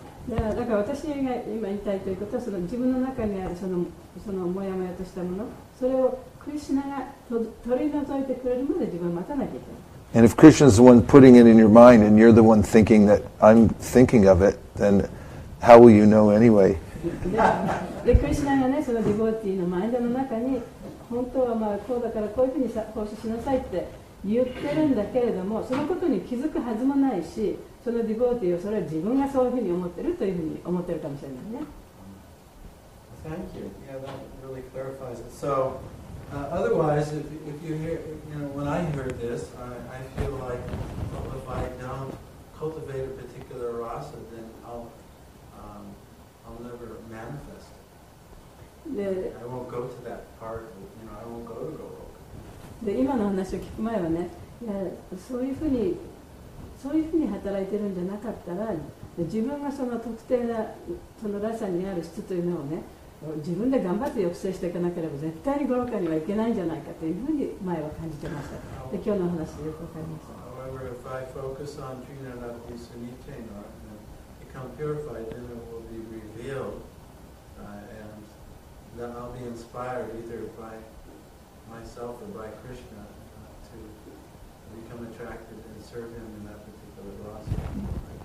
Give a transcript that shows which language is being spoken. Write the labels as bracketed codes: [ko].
[en] And if Krishna is the one putting it in your mind and you're the one thinking that I'm thinking of it, then how will you know anyway? [ja] で、クリシュナがね、そのディボーティーのマインドの中に、本当はまあこうだからこういうふうに奉仕しなさいって言ってるんだけれども、そのことに気づくはずもないし、そのディボーティーをそれは自分がそういうふうに思ってるというふうに思ってるかもしれないね。 [en] Thank you. Yeah, that really clarifies it. So, otherwise, if you hear, you know, when I heard this, I feel like, well, if I don't cultivate a particular rasa, then I'll never manifest it. I won't go to that part, you know, I won't go to Goloka. [ja] で、今の話を聞く前はね、いや、そういうふうに働いてるんじゃなかったら、自分がその特定な、そのラサにある質というのをね、自分で頑張って抑制していかなければ絶対にゴロカにはいけないんじゃないかというふうに前は感じてました。で、今日の話でよくわかりました。 [en] However, if I focus on Trinadapi Sunichena and become purified, then it will be revealed, and then I'll be inspired either by myself or by Krishna to become attracted and serve him in that particular process.